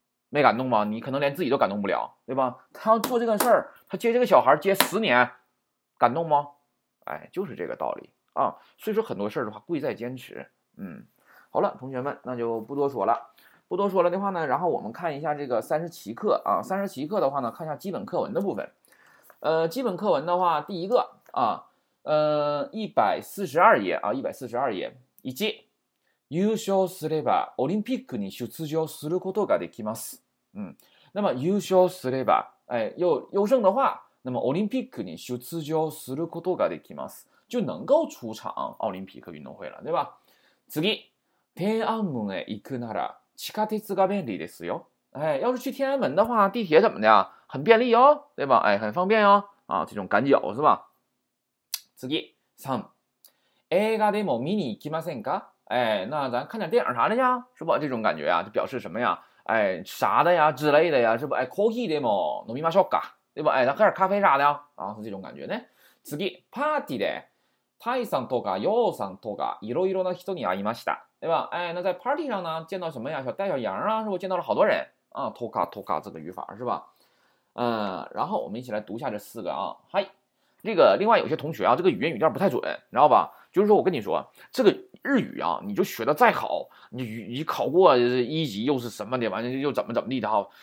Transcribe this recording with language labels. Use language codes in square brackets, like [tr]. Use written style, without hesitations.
[zh] 没感动吗？你可能连自己都感动不了，对吧？他要做这个事儿，他接这个小孩接10年，感动吗？哎，就是这个道理啊。所以说很多事儿的话，贵在坚持。嗯，好了，同学们，那就不多说了。不多说了的话呢，然后我们看一下这个三十七课啊。三十七课的话呢，看一下基本课文的部分。基本课文的话，第一个啊，142页啊，142页，以及 [ja] 優勝すればオリンピックに出場することができます。 [zh] 嗯，那么 [ja] 優勝すれば， [zh] 哎，优胜的话，那么 [ja] オリンピックに出場することができます， [zh] 就能够出场奥林匹克运动会了，对吧？ [ja] 次，天安门へ行くなら地下鉄が便利ですよ。 [zh] 哎，要是去天安门的话，地铁怎么的呀？很便利哦，对吧？哎，很方便哦。啊，这种赶脚是吧？ [ja] 次，三，映画でも見に行きませんか？ [zh] 哎，那咱看点电影啥的呀？是不？这种感觉呀，就表示什么呀？哎，啥的呀之类的呀，是不？哎，coffee 的么？ [ja] 飲みましょうか？ [zh] 对不？哎，咱喝点咖啡啥的呀？啊，是这种感觉呢。 [ja] 次，パーティーで、タイさんとかヨウさんとかいろいろな人に会いました。 [zh] 对吧？哎，那在 party 上呢，见到什么呀？小戴、小杨啊，是不？见到了好多人啊。托卡托卡这个语法是吧？然后我们一起来读一下这四个啊。嗨，这个另外有些同学啊，这个语言语调不太准，知道吧？就是说我跟你说，这个日语啊，你就学的再好，你考过一级又是什么的，完了又怎么地的哈？